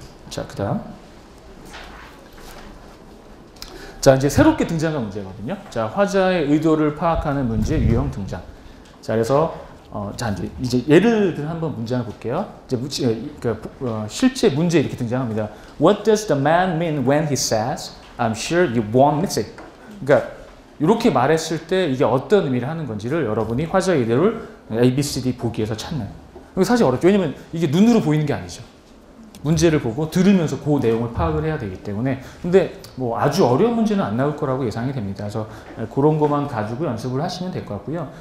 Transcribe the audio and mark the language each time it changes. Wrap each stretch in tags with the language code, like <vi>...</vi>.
<ko>자, 그 다음. 자, 이제 새롭게 등장한 문제거든요. 자, 화자의 의도를 파악하는 문제 유형 등장. 자, 그래서 자, 이제 예를 들어 한번 문장을 볼게요. 이제 실제 문제 이렇게 등장합니다.</ko> <en>What does the man mean when he says, I'm sure you won't miss it?</en> <ko>그러니까 이렇게 말했을 때 이게 어떤 의미를 하는 건지를 여러분이 화자의 의도를 ABCD 보기에서 찾는. 사실 어렵죠. 왜냐면 이게 눈으로 보이는 게 아니죠. 문제를 보고 들으면서 그 내용을 파악을 해야 되기 때문에. 근데 뭐 아주 어려운 문제는 안 나올 거라고 예상이 됩니다. 그래서 그런 것만 가지고 연습을 하시면 될 것 같고요.</ko>